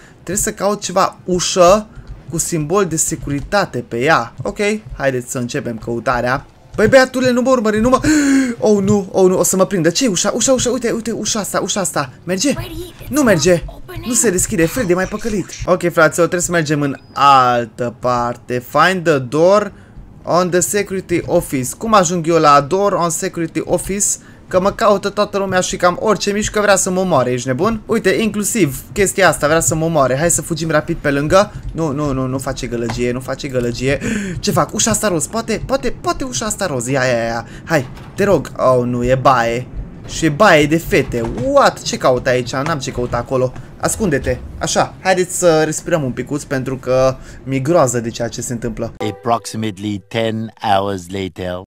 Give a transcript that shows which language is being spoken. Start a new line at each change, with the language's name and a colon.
Romanian: Trebuie să caut ceva ușă cu simbol de securitate pe ea. Ok, haideți să începem căutarea. Păi băiatule, nu mă urmări, nu mă... Oh, nu, o să mă prindă. Ce-i ușa? Ușa, uite, ușa asta. Merge? Nu merge. Nu se deschide, Freddy, mai păcălit. Ok, frate, o trebuie să mergem în altă parte.
English: Find the door on the security office.
Romanian: Cum ajung eu la
English: door on security office?
Romanian: Că mă caută toată lumea și cam orice mișcă vrea să mă omoare, ești nebun? Uite, inclusiv chestia asta vrea să mă omoare. Hai să fugim rapid pe lângă. Nu face gălăgie. Ce fac? Ușa asta roz, poate ușa asta roz. Ia. Hai, te rog. Oh, nu, e baie. Și e baie de fete.
English: What?
Romanian: Ce caută aici? N-am ce căuta acolo. Ascunde-te. Așa, haideți să respirăm un picuț pentru că mi-e groază de ceea ce se întâmplă.
English: Approximately 10 hours later.